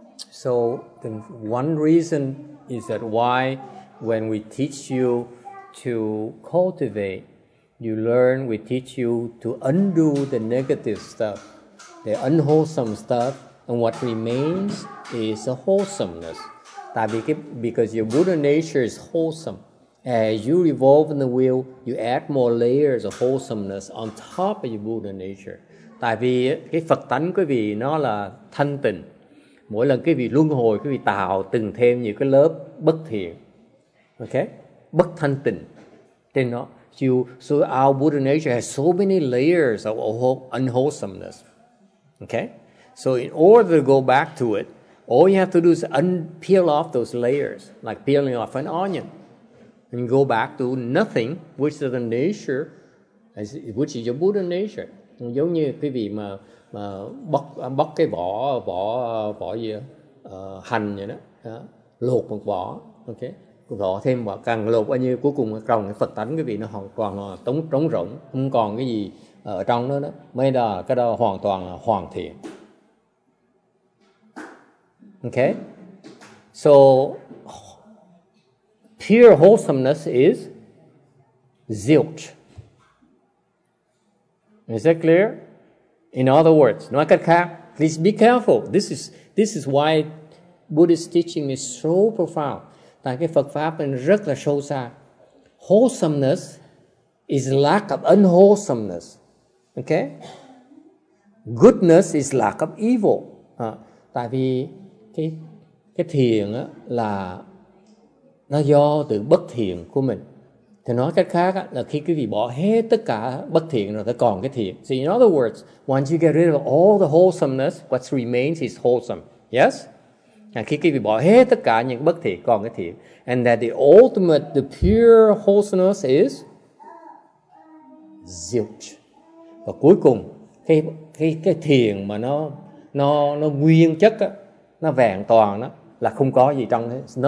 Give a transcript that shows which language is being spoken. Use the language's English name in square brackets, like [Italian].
[English] So the one reason is that why when we teach you to cultivate, you learn, we teach you to undo the negative stuff, the unwholesome stuff, and what remains is a wholesomeness. Because your Buddha nature is wholesome. As you revolve in the wheel, you add more layers of wholesomeness on top of your Buddha nature. [Vietnamese] Tại vì cái Phật tánh quý vị nó là thanh tịnh. Mỗi lần quý vị luân hồi, quý vị tạo từng thêm nhiều cái lớp bất thiện, okay, bất thanh tịnh trên nó. [English] So our Buddha nature has so many layers of unwholesomeness. Okay? So in order to go back to it, all you have to do is peel off those layers, like peeling off an onion, and go back to nothing, which is the nature, which is your Buddha nature. [Vietnamese] Giống như quý vị mà bóc cái vỏ gì đó, hành vậy đó, lột một vỏ, okay? Vỏ thêm vỏ, càng lột bao nhiêu, cuối cùng trong cái Phật tánh quý vị nó hoàn toàn là trống rỗng, không còn cái gì ở trong đó, mới là cái đó hoàn toàn là hoàn thiện. [English] Okay, so pure wholesomeness is zilch. Is that clear? In other words, [Vietnamese] nói cách khác, [English] please be careful. This is why Buddhist teaching is so profound. [Vietnamese] Tại cái Phật pháp nên rất là sâu xa. [English] Wholesomeness is lack of unwholesomeness. [Vietnamese] Okay. [English] Goodness is lack of evil. [Vietnamese] Tại vì cái thiền á là nó do từ bất thiện của mình. Thì nói cách khác á, là khi quý vị bỏ hết tất cả bất thiện rồi, nó còn cái thiện. [English] So in other words, once you get rid of all the wholesomeness, what remains is wholesome. Yes? [Vietnamese] Khi quý vị bỏ hết tất cả những bất thiện, còn cái thiện. [English] And that the ultimate, the pure wholesomeness is zilch. [Vietnamese] Và cuối cùng, cái thiền mà nó nguyên chất á, nó vẹn toàn đó, là không có gì trong đó.